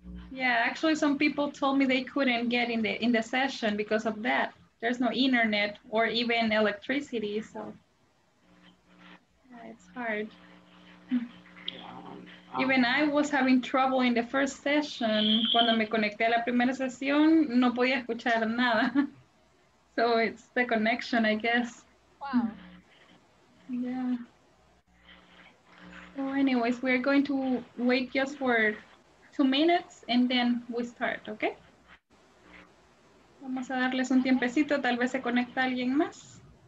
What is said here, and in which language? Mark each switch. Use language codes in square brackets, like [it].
[en] Yeah, actually some people told me they couldn't get in the session because of that. There's no internet or even electricity, so yeah, it's hard. Even I was having trouble in the first session. [es] Cuando me conecté a la primera sesión, no podía escuchar nada. [en] So it's the connection, I guess. Wow. Yeah. So anyways, we're going to wait just for 2 minutes and then we start, okay? [es] Vamos a darles un tiempecito, tal vez se conecta alguien más.